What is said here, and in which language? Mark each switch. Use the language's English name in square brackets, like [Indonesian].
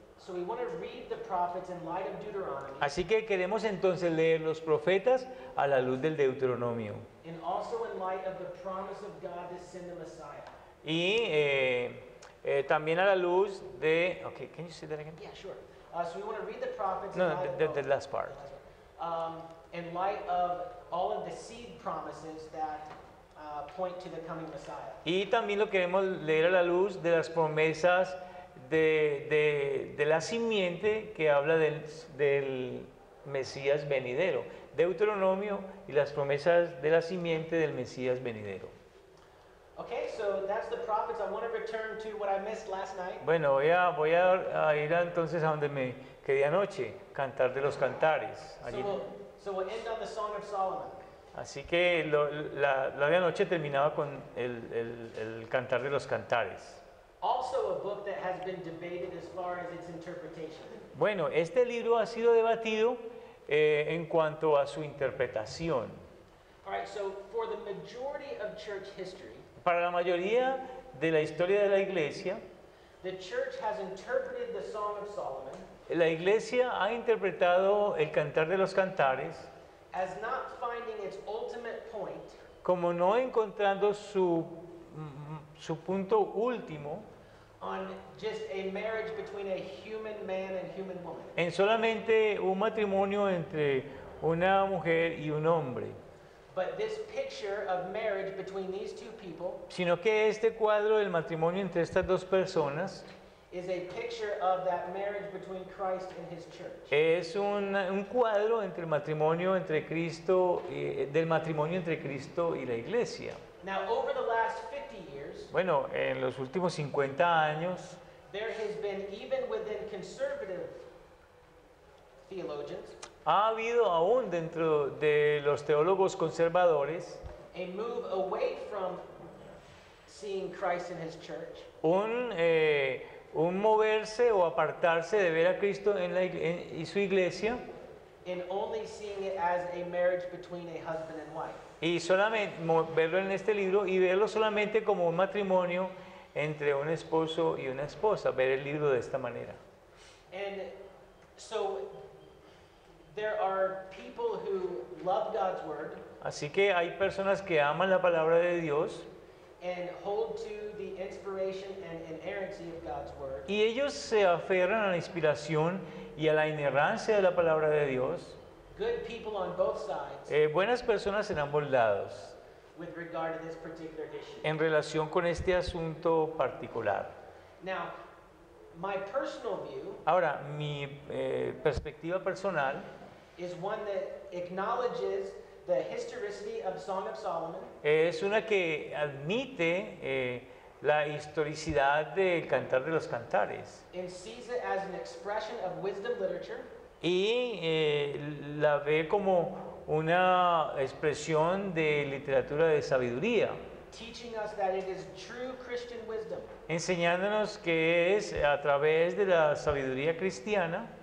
[English] So we want to read the prophets in light of Deuteronomy. [Spanish] Así que queremos entonces leer los profetas a la luz del Deuteronomio. [English] And also in light of the promise of God to send the Messiah. [Spanish] Y también a la luz de [English] okay, can you say that again? Yeah, sure. So we want to read the prophets no, in light the, of the last part. In light of all of the seed promises that point to the coming Messiah. [Spanish] Y también lo queremos leer a la luz de las promesas de la simiente que habla del Mesías venidero. Deuteronomio y las promesas de la simiente del Mesías venidero. [English] Okay, so that's the prophets. I want to return to what I missed last night. [Spanish] Bueno, voy a ir entonces a donde me quedé anoche, cantar de los cantares. [English] Allí. So we'll end on the Song of Solomon. [Spanish] Así que la de anoche terminaba con el cantar de los cantares. [English] Also a book that has been debated as far as its interpretation. [Spanish] Bueno, este libro ha sido debatido en cuanto a su interpretación. [English] All right, so for the majority of church history, [Spanish] para la mayoría de la historia de la iglesia, [English] the church has interpreted the Song of Solomon, [Spanish] la iglesia ha interpretado el Cantar de los Cantares [English] as not finding its ultimate point, [Spanish] como no encontrando su punto último [English] on just a marriage between a human man and human woman. [Spanish] En solamente un matrimonio entre una mujer y un hombre. [English] But this picture of marriage between these two people, [Spanish] sino que este cuadro del matrimonio entre estas dos personas [English] is a picture of that marriage between Christ and his church. [Spanish] Es un cuadro entre el matrimonio entre Cristo y, del matrimonio entre Cristo y la iglesia. [English] Now, over the last 50 years, [Spanish] bueno, en los últimos 50 años, [English] there has been, even within conservative theologians, [Spanish] ha habido aún dentro de los teólogos conservadores [English] a move away from seeing Christ in his church, [Spanish] un moverse o apartarse de ver a Cristo en la y su iglesia [English] and only seeing it as a marriage between a husband and wife. [Spanish] Y solamente verlo en este libro y verlo solamente como un matrimonio entre un esposo y una esposa, ver el libro de esta manera. [English] And so there are people who love God's word. [Spanish] Así que hay personas que aman la palabra de Dios [English] and hold to the inspiration and inerrancy of God's word. [Spanish] Y ellos se aferran a la inspiración y a la inerrancia de la palabra de Dios. [English] Good people on both sides. [Spanish] Buenas personas en ambos lados. [English] With regard to this particular issue. [Spanish] En relación con este asunto particular. [English] Now, my personal view. [Spanish] Ahora, mi perspectiva personal [English] is one that acknowledges the historicity of Song of Solomon. [Spanish] Es una que admite la historicidad del Cantar de los Cantares. [English] And sees it as an expression of wisdom literature. [Spanish] Y la ve como una expresión de literatura de sabiduría. [English] Teaching us that it is true Christian wisdom. [Spanish] Enseñándonos que es a través de la sabiduría cristiana